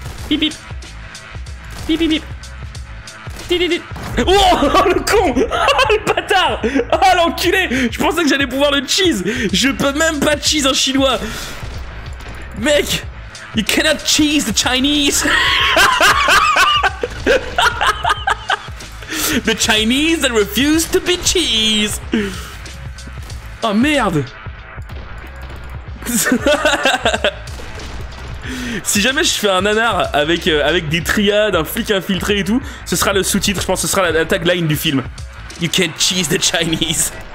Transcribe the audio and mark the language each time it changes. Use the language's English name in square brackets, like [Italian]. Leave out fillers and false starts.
[French] Bip. Didi. Oh le con. Oh le bâtard. Oh l'enculé. Je pensais que j'allais pouvoir le cheese. Je peux même pas cheese en chinois. [English] Mec, you cannot cheese the Chinese. The Chinese that refuse to be cheese. [French] Oh merde. Si jamais je fais un nanar avec, avec des triades, un flic infiltré et tout, ce sera le sous-titre, je pense, ce sera la tagline du film. [English] You can't cheese the Chinese.